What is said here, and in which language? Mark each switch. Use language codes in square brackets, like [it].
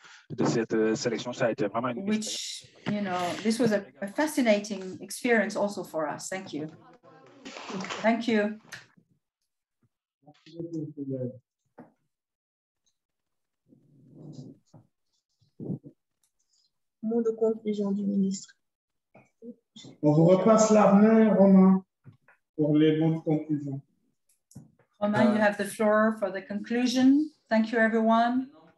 [fr] De cette sélection, ça a été vraiment une [en] which, you know, this was a fascinating experience also for us. Thank you. Thank you. [fr] Mot de conclusion du ministre. On vous repasse la main, Romain, pour les mots de conclusion. [en] Romain, you have the floor for the conclusion. Thank you, everyone.